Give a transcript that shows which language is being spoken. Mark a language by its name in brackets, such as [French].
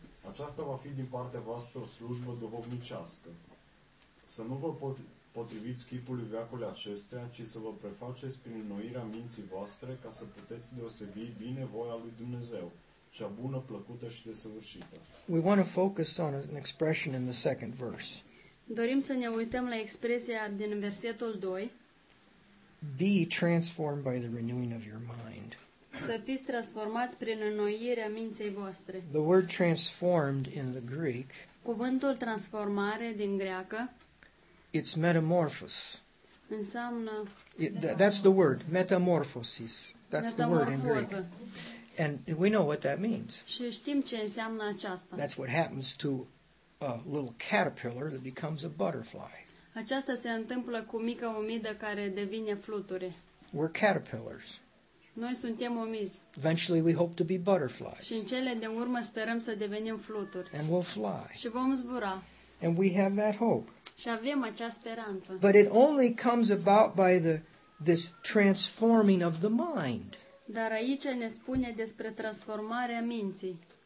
[Romanian] Aceasta va fi din partea voastră o slujbă duhovnicească. Să nu vă potriviți chipului veacului acestuia, ci să vă prefaceți prin înnoirea minții voastre ca să puteți deosebi bine voia lui Dumnezeu, cea bună, plăcută și desăvârșită. [English] We want to focus on an expression in the second verse. [Romanian] Dorim să ne uităm la expresia din versetul 2. [English] Be transformed by the renewing of your mind. [Romanian] Să fiți transformați prin înnoirea minții voastre. [English] The word transformed in the Greek. [Romanian] Cuvântul transformare din greacă. [English] It's metamorphosis. [Romanian] Înseamnă [English] that's the word, metamorphosis. That's the word in Greek. And we know what that means. [Romanian] Și știm ce înseamnă aceasta. [English] That's what happens to a little caterpillar that becomes a butterfly. [Romanian] Aceasta se întâmplă cu mica omidă care devine fluture. [English] We're caterpillars. [Romanian] Noi suntem omizi. [English] Eventually we hope to be butterflies. [Romanian] Și în cele din urmă sperăm să devenim fluturi. [English] And we'll fly. [Romanian] Și vom zbura. [English] And we have that hope. [Romanian] Și avem acea speranță. [English] But it only comes about by this transforming of the mind. [Romanian] Dar aici ne spune despre transformarea minții.